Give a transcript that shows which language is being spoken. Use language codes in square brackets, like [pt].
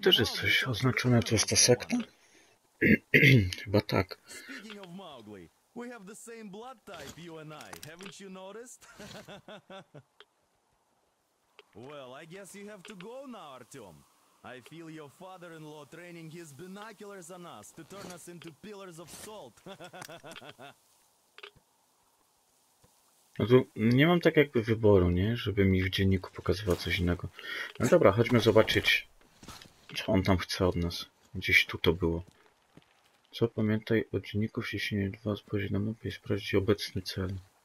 [pl] też jest coś oznaczone, to jest ta sekta? Chyba tak. [en] Speaking of Mowgli, we have the same blood type, you and I, haven't you noticed? Well, I guess you have to go now, Artyom. I feel your father-in-law training his binoculars on us to turn us into pillars of salt. [pl] No tu nie mam tak jakby wyboru, nie? Żeby mi w dzienniku pokazywał coś innego. No dobra, chodźmy zobaczyć, co on tam chce od nas. Gdzieś tu to było. Co pamiętaj o dzienniku w ciśnieniu 2, spojrzeć na mapę i sprawdzić obecny cel.